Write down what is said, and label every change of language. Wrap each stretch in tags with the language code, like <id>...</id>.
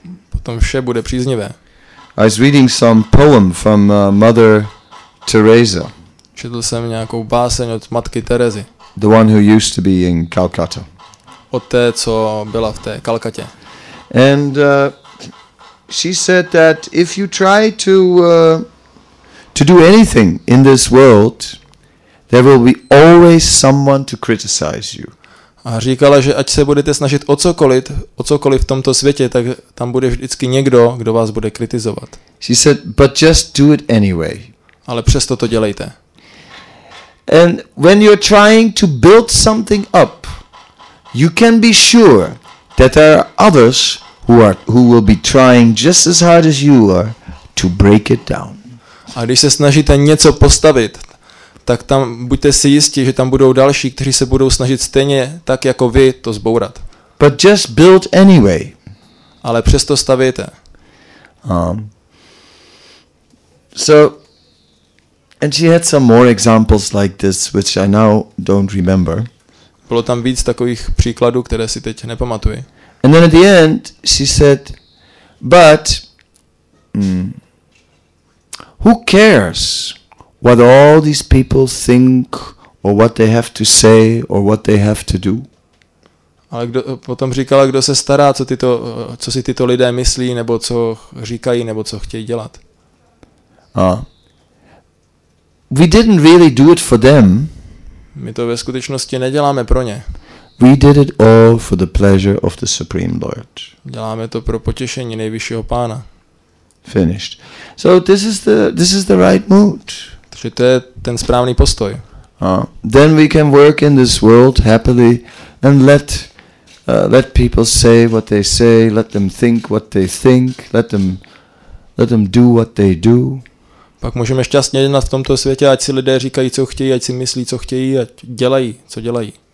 <cs>Potom vše bude příznivé.</cs> <en>I was reading some poem from Mother Teresa.</en> <cs>Četl jsem nějakou báseň od matky Terezy.</cs> <en>The one who used to be in Calcutta.</en> <cs>Od té, co byla v té Kalkatě.</cs> <en>And she said that if you try to do anything in this world, there will be always someone to criticize you.</en> <cs>A říkala, že ať se budete snažit o cokoliv v tomto světě, tak tam bude vždycky někdo, kdo vás bude kritizovat.</cs> <en>She said, but just do it anyway.</en> <cs>Ale přesto to dělejte.</cs> <en>And when you're trying to build something up, you can be sure that there are others who will be trying just as hard as you are to break it down.</en> <cs>A když se snažíte něco postavit, tak tam buďte si jisti, že tam budou další, kteří se budou snažit stejně tak jako vy to zbourat.</cs> <en>But just build anyway.</en> <cs>Ale přesto stavíte.</cs> <en>And she had some more examples like this, which I now don't remember.</en> <cs>Bylo tam víc takových příkladů, které si teď nepamatuji.</cs> <en>And then at the end she said, but who cares what all these people think or what they have to say or what they have to do?</en> <cs>Ale kdo potom říkala, kdo se stará, co si tyto lidé myslí nebo co říkají nebo co chtějí dělat?</cs> <en>We didn't really do it for them.</en> <cs>My to ve skutečnosti neděláme pro ně.</cs> <en>We did it all for the pleasure of the Supreme Lord.</en> <cs>Děláme to pro potěšení nejvyššího pána.</cs> <en>Finished. So this is the right mood.</en> <cs>Takže to je ten správný postoj.</cs> <en>Then we can work in this world happily and let people say what they say, let them think what they think, let them do what they do.</en> <cs>Pak můžeme šťastně jednat v tomto světě, ať si lidé říkají, co chtějí, ať si myslí, co chtějí, ať dělají, co dělají.</cs>